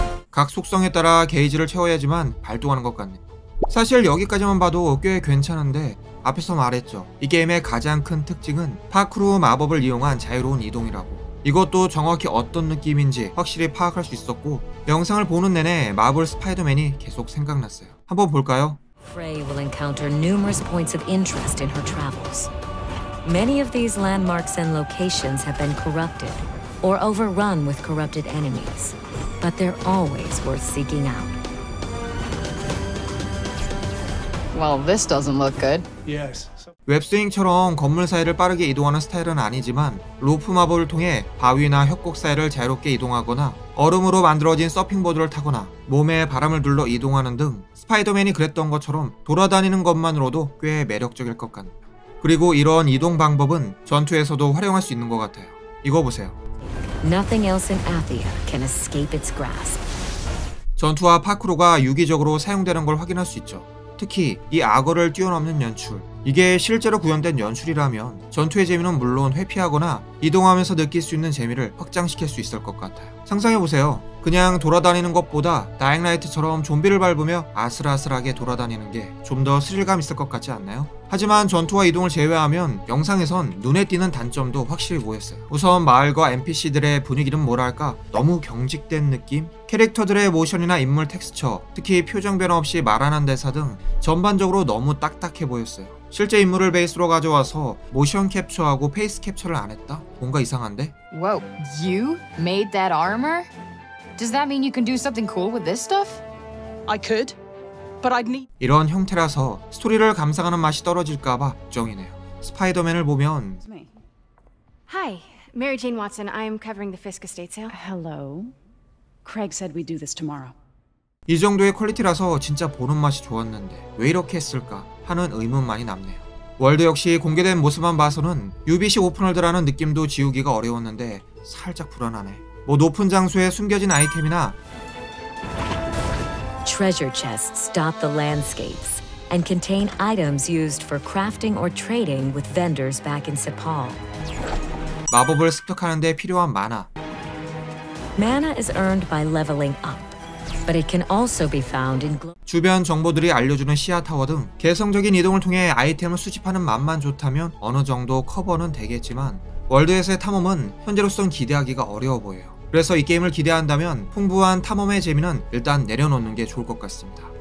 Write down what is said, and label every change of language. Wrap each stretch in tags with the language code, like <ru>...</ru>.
<ko>각 속성에 따라 게이지를 채워야지만 발동하는 것 같네요. 사실 여기까지만 봐도 꽤 괜찮은데, 앞에서 말했죠. 이 게임의 가장 큰 특징은 파크루 마법을 이용한 자유로운 이동이라고. 이것도 정확히 어떤 느낌인지 확실히 파악할 수 있었고, 영상을 보는 내내 마블 스파이더맨이 계속 생각났어요. 한번 볼까요?</ko> <en>Frey will encounter numerous points of interest in her travels. Many of these landmarks and locations have been corrupted or overrun with corrupted enemies, but they're always worth seeking out. Well, this doesn't look good. Yes.</en> <ko>웹스윙처럼 건물 사이를 빠르게 이동하는 스타일은 아니지만, 로프 마법을 통해 바위나 협곡 사이를 자유롭게 이동하거나 얼음으로 만들어진 서핑보드를 타거나 몸에 바람을 눌러 이동하는 등 스파이더맨이 그랬던 것처럼 돌아다니는 것만으로도 꽤 매력적일 것 같네요. 그리고 이런 이동 방법은 전투에서도 활용할 수 있는 것 같아요. 이거 보세요.</ko> <en>Nothing else in Athia can escape its grasp.</en> <ko>전투와 파크로가 유기적으로 사용되는 걸 확인할 수 있죠. 특히 이 악어를 뛰어넘는 연출, 이게 실제로 구현된 연출이라면 전투의 재미는 물론 회피하거나 이동하면서 느낄 수 있는 재미를 확장시킬 수 있을 것 같아요. 상상해보세요. 그냥 돌아다니는 것보다 다잉라이트처럼 좀비를 밟으며 아슬아슬하게 돌아다니는 게 좀 더 스릴감 있을 것 같지 않나요? 하지만 전투와 이동을 제외하면 영상에선 눈에 띄는 단점도 확실히 보였어요. 우선 마을과 NPC들의 분위기는 뭐랄까, 너무 경직된 느낌? 캐릭터들의 모션이나 인물 텍스처, 특히 표정 변화 없이 말하는 대사 등 전반적으로 너무 딱딱해 보였어요. 실제 인물을 베이스로 가져와서 모션 캡처하고 페이스 캡처를 안 했다? 뭔가 이상한데?</ko> <en>Whoa, you made that armor? Does that mean you can do something cool with this stuff? I could. But I'd need...</en> <ko>이런 형태라서 스토리를 감상하는 맛이 떨어질까봐 걱정이네요. 스파이더맨을 보면</ko> <en>Hi, Mary Jane Watson. I am covering the Fisk estate sale. Hello. Craig said we do this tomorrow.</en> <ko>이 정도의 퀄리티라서 진짜 보는 맛이 좋았는데 왜 이렇게 했을까 하는 의문만이 남네요. 월드 역시 공개된 모습만 봐서는 UBC 오픈월드라는 느낌도 지우기가 어려웠는데 살짝 불안하네. 뭐 높은 장소에 숨겨진 아이템이나</ko> <en>Treasure chests dot the landscapes and contain items used for crafting or trading with vendors back in Sepal.</en> <ko>마법을 습득하는 데 필요한 마나.</ko> <en>Mana is earned by leveling up. but it can also be found in</en> <ko>주변 정보들이 알려주는 시야 타워 등 개성적인 이동을 통해 아이템을 수집하는 맛만 좋다면 어느 정도 커버는 되겠지만 월드에서의 탐험은 현재로선 기대하기가 어려워 보여요. 그래서 이 게임을 기대한다면 풍부한 탐험의 재미는 일단 내려놓는 게 좋을 것 같습니다.</ko>